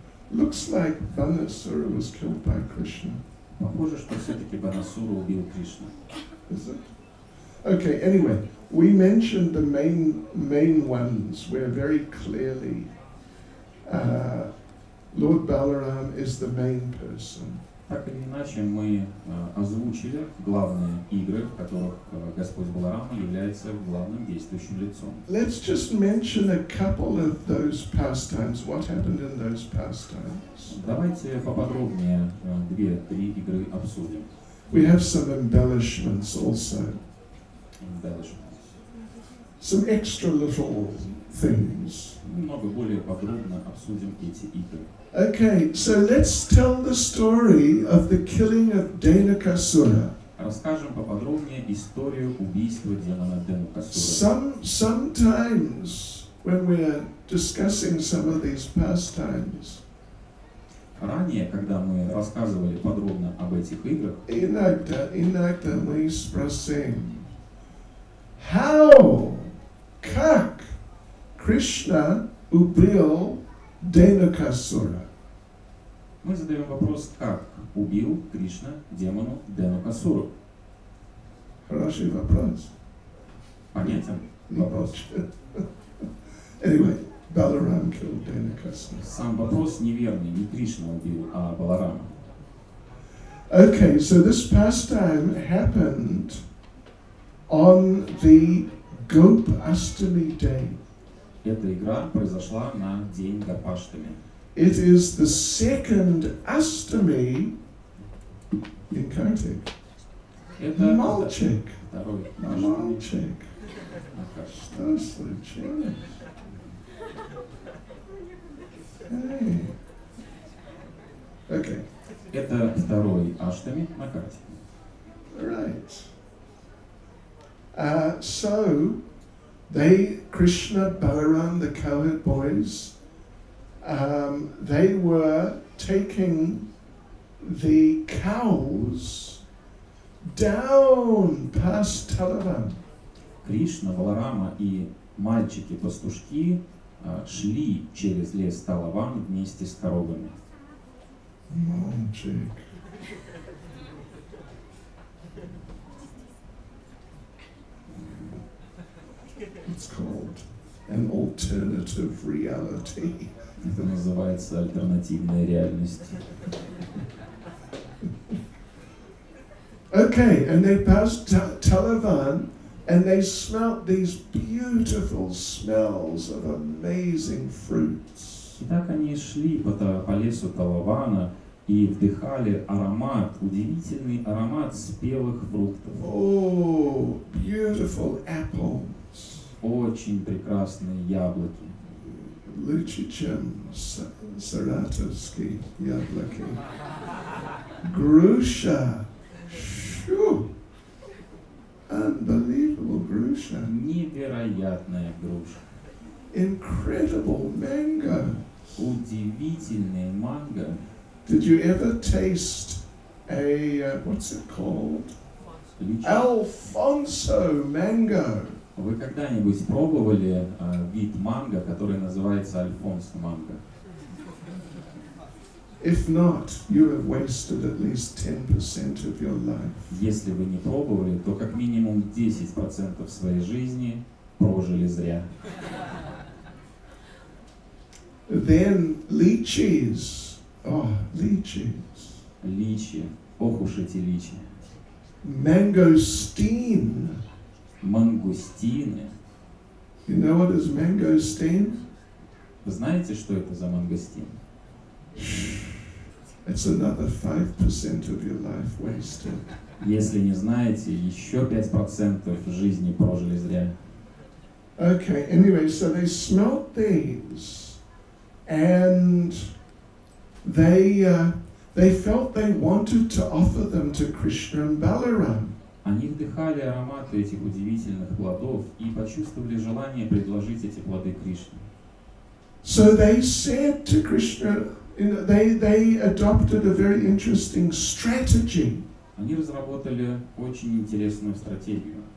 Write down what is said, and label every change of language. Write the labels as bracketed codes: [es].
[en] Looks like Banasura was killed by Krishna. [ru] Похоже, что все-таки Банасура убил Кришну. [en] Is it? Okay, anyway, we mentioned the main ones where very clearly Lord Balaram is the main person. [ru] Так или иначе, мы озвучили главные игры, в которых Господь Баларама является главным действующим лицом. [en] Let's just mention a couple of those pastimes. What happened in those pastimes? [ru] Давайте поподробнее две-три игры обсудим. [en] We have some embellishments also. Embellishments. Some extra little things. [ru] Немного более подробно обсудим эти игры. [en] Okay, so let's tell the story of the killing of Dainakasura. [ru] Расскажем поподробнее историю убийства демона Дейнакасуры. [en] Sometimes when we're discussing some of these pastimes. [ru] Ранее, когда мы рассказывали подробно об этих играх. Иногда мы спросим: [en] How? [ru] Как? Кришна убил Дейнакасура. Мы задаем вопрос, как убил Кришна демону Дейнакасуру. Хороший вопрос. Понятен вопрос. [en] Anyway, Balaram killed Dainakasura. [ru] Сам вопрос неверный, не Кришна убил, а Баларама. [en] Okay, so this pastime happened on the Gopastami day. [ru] Эта игра произошла на день Гопаштами. [en] It is the second Astami in Kartik. [ru] Malchik. Malchik. [en] That's the chick. Okay. [ru] Это второй Астами на карте. [en] Right. So they, Krishna, Balaram, the cowherd boys, they were taking the cows down past Talavan. [ru] Кришна, Баларама и мальчики-пастушки шли через лес Талаван вместе с коровами. Мальчик. [en] It's called an alternative reality. [ru] Это называется альтернативная реальность. [en] Okay, and they passed Talavan, and they smelt these beautiful smells of amazing fruits. [ru] Итак, они шли по лесу Талавана и вдыхали аромат, удивительный аромат спелых фруктов. [en] Oh, beautiful apples. [ru] Очень прекрасные яблоки. Лучичем саратовский яблоки. Груша. Шу. [en] Unbelievable [ru] груша. Невероятная груша. [en] Incredible mango. [ru] Удивительная манго. [en] Did you ever taste a, what's it called? Alfonso mango. [ru] Вы когда-нибудь пробовали вид манго, который называется Альфонсо манго? [en] If not, you have wasted at least 10% of your life. [ru] Если вы не пробовали, то как минимум 10% своей жизни прожили зря. [en] Then lychees. Oh, lychees. [ru] Личи. Ох уж эти личи. [en] Mango steam. [ru] Мангустины. [en] You know what is mangosteen? [ru] Вы знаете, что это за мангустин? [en] It's another 5% of your life wasted. [ru] Если не знаете, еще 5% жизни прожили зря. [en] Okay, anyway, so they smelt these and they felt they wanted to offer them to Krishna and Balaram. [ru] Они вдыхали ароматы этих удивительных плодов и почувствовали желание предложить эти плоды Кришне. [en] So they said to Krishna, you know, they adopted a very interesting strategy. [ru] Они разработали очень интересную стратегию.